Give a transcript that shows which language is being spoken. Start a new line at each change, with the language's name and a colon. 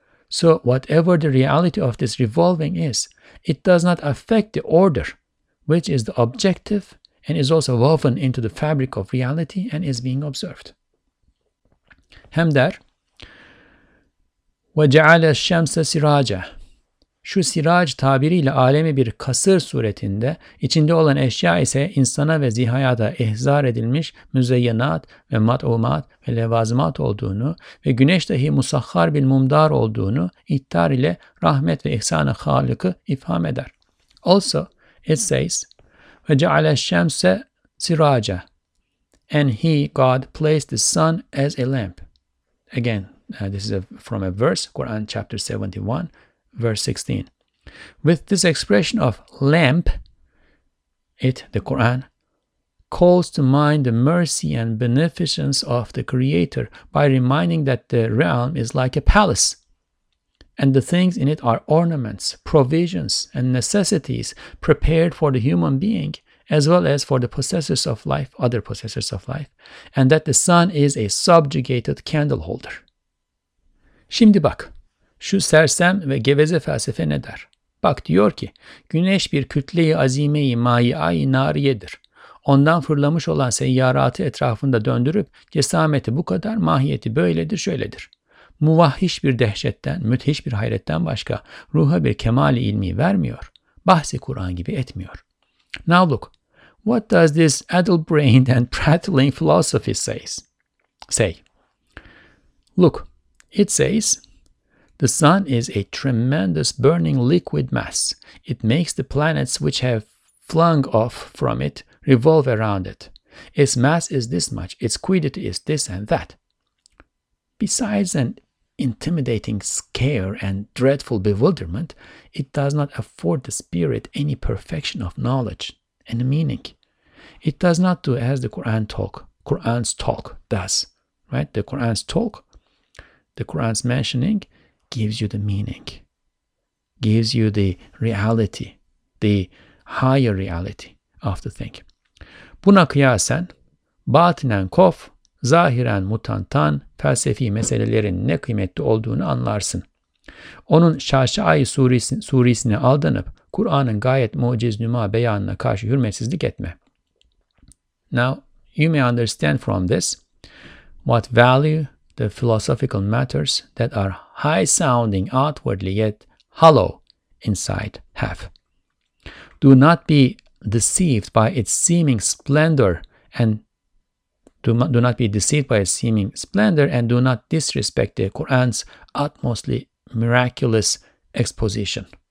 English: So whatever the reality of this revolving is, it does not affect the order which is the objective and is also woven into the fabric of reality and is being observed.
Turkish: Hem der,
Arabic: وَجَعَلَ الشَّمْسَ سِرَاجًا.
Turkish: Şu siraj tabiriyle alemi bir kasır suretinde, içinde olan eşya ise insana ve zihayata ihzar edilmiş müzeyyenat ve mat'umat ve levazımat olduğunu ve güneş dahi musahhar bil mumdar olduğunu ihtar ile rahmet ve ihsan-ı halıkı ifham eder.
English: Also, it says,
Arabic: وَجَعَلَ الشَّمْسَ سِرَاجًا.
English: And he, God, placed the sun as a lamp. Again, this is from a verse, Quran chapter 71, verse 16. With this expression of lamp, the Quran, calls to mind the mercy and beneficence of the Creator by reminding that the realm is like a palace, and the things in it are ornaments, provisions, and necessities prepared for the human being, as well as for the possessors of life, other possessors of life, and that the sun is a subjugated candle holder.
Turkish: Şimdi bak, şu sersem ve geveze felsefe ne der? Bak diyor ki, güneş bir kütle-i azime-i mai'ay-i nariyedir. Ondan fırlamış olan seyyaratı etrafında döndürüp, cesameti bu kadar, mahiyeti böyledir, şöyledir. Muvahhiş bir dehşetten, müthiş bir hayretten başka ruha bir kemal-i ilmi vermiyor, bahsi Kur'an gibi etmiyor.
English: Now look, what does this addle-brained and prattling philosophy say? Look, it says, the sun is a tremendous burning liquid mass. It makes the planets which have flung off from it revolve around it. Its mass is this much, its quiddity is this and that. Besides an intimidating scare and dreadful bewilderment, it does not afford the spirit any perfection of knowledge and meaning. It does not do as the Quran's talk does, right? The Quran's talk, the Quran's mentioning, gives you the meaning, gives you the reality, the higher reality of the thing.
Turkish: Buna kıyasen, batinen kof, zahiren mutantan, felsefi meselelerin ne kıymetli olduğunu anlarsın. Onun Şaşaayı surisine aldanıp, Kur'an'ın gayet muciz nüma beyanına karşı hürmetsizlik etme.
English: Now, you may understand from this, what value the philosophical matters that are high-sounding outwardly yet hollow inside have. Do not be deceived by its seeming splendor, and do not disrespect the Quran's utmostly miraculous exposition.